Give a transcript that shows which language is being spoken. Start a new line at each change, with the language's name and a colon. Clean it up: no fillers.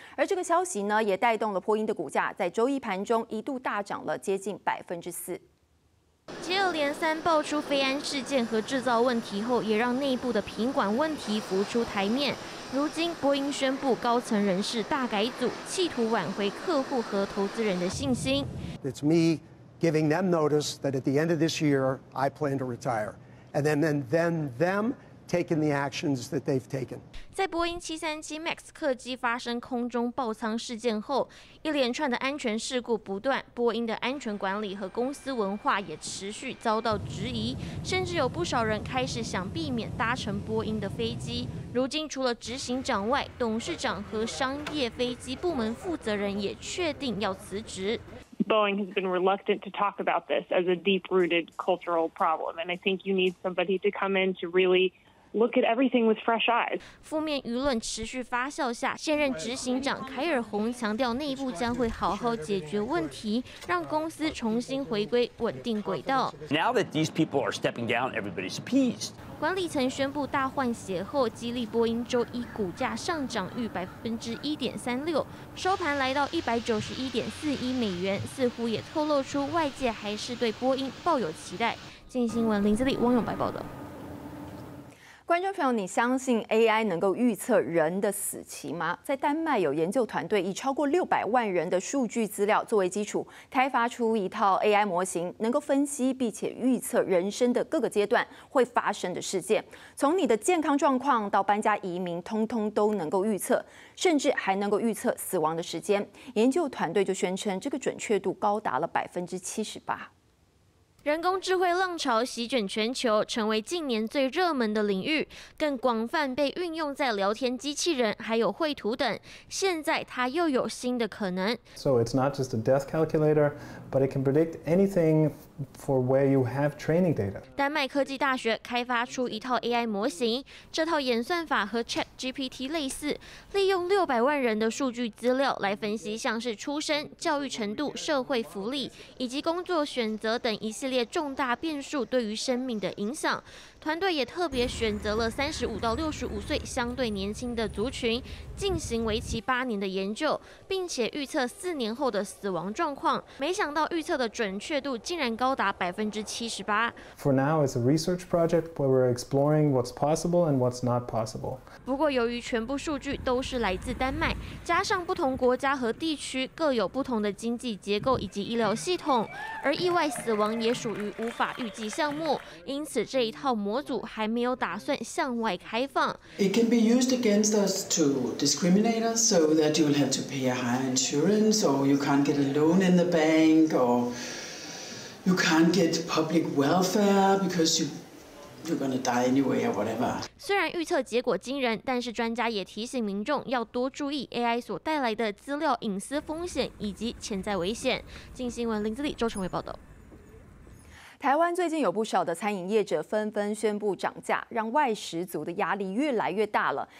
Chinese: 而这个消息呢，也带动了波音的股价在周一盘中一度大涨了接近4%。接二连三爆出飞安事件和制造问题后，也让内部的品管问题浮出台面。如今波音宣布高层人事大改组，企图挽回客户和投资人的信心。
English: It's me giving them notice that at the end of this year I plan to retire, and then them taking the actions that they've taken.
Chinese: 在波音737 MAX 客机发生空中爆舱事件后，一连串的安全事故不断，波音的安全管理和公司文化也持续遭到质疑，甚至有不少人开始想避免搭乘波音的飞机。如今除了执行长外，董事长和商业飞机部门负责人也确定要辞职。
English: Boeing has been reluctant to talk about this as a deep-rooted cultural problem, and I think you need somebody to come in to really look at everything with fresh eyes.
Chinese: 负面舆论持续发酵下，现任执行长凯尔洪强调，内部将会好好解决问题，让公司重新回归稳定轨道。
English: Now that these people are stepping down, everybody's appeased.
Chinese: 管理层宣布大换血后，激励波音周一股价上涨逾1.36%，收盘来到191.41美元，似乎也透露出外界还是对波音抱有期待。镜新闻林子立、汪永白报道。观众朋友，你相信 AI 能够预测人的死期吗？在丹麦，有研究团队以超过600万人的数据资料作为基础，开发出一套 AI 模型，能够分析并且预测人生的各个阶段会发生的事件，从你的健康状况到搬家移民，通通都能够预测，甚至还能够预测死亡的时间。研究团队就宣称，这个准确度高达了78%。人工智慧浪潮席卷全球，成为近年最热门的领域，更广泛被运用在聊天机器人还有绘图等。现在它又有新的可能。
English: So it's not just a death calculator, but it can predict anything for where you have training data.
Chinese: 丹麦科技大学开发出一套 AI 模型，这套演算法和 ChatGPT 类似，利用600万人的数据资料来分析像是出生、教育程度、社会福利以及工作选择等一些。系列重大变数对于生命的影响，团队也特别选择了35到65岁相对年轻的族群进行为期8年的研究，并且预测4年后的死亡状况。没想到预测的准确度竟然高达78%。
English: For now, it's a research project where we're exploring what's possible and what's not possible.
Chinese: 不过，由于全部数据都是来自丹麦，加上不同国家和地区各有不同的经济结构以及医疗系统，而意外死亡也属于无法预计项目，因此这一套模组还没有打算向外开放。
English: It can be used against us to discriminate us so that you'll have to pay a higher insurance or you can't get a loan in the bank or you can't get public welfare because you're gonna die anyway or whatever.
Chinese: 虽然预测结果惊人，但是专家也提醒民众要多注意 AI 所带来的资料隐私风险以及潜在危险。镜新闻林子立、周成伟报道。台湾最近有不少的餐饮业者纷纷宣布涨价，让外食族的压力越来越大了。